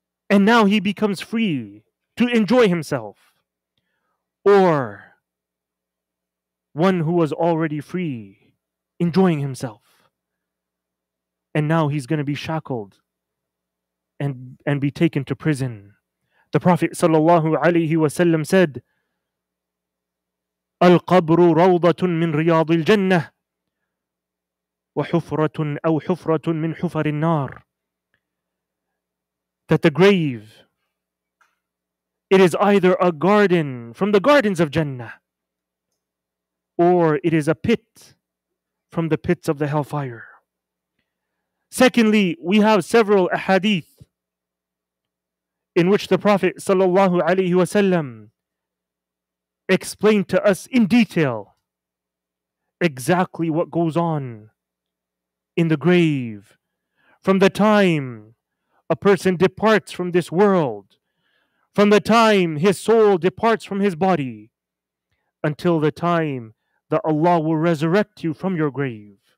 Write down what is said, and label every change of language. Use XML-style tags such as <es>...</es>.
<en>And now he becomes free to enjoy himself. Or one who was already free, enjoying himself. And now he's going to be shackled and be taken to prison. The Prophet sallallahu alaihi wasallam said,</en> <ar>القبر روضة من رياض الجنة وحفرة أو حفرة من حفر النار.</ar> <en>That the grave, it is either a garden from the gardens of Jannah, or it is a pit from the pits of the hellfire. Secondly, we have several ahadith in which the Prophet sallallahu alaihi wasallam explained to us in detail exactly what goes on in the grave from the time a person departs from this world, from the time his soul departs from his body, until the time that Allah will resurrect you from your grave.</en>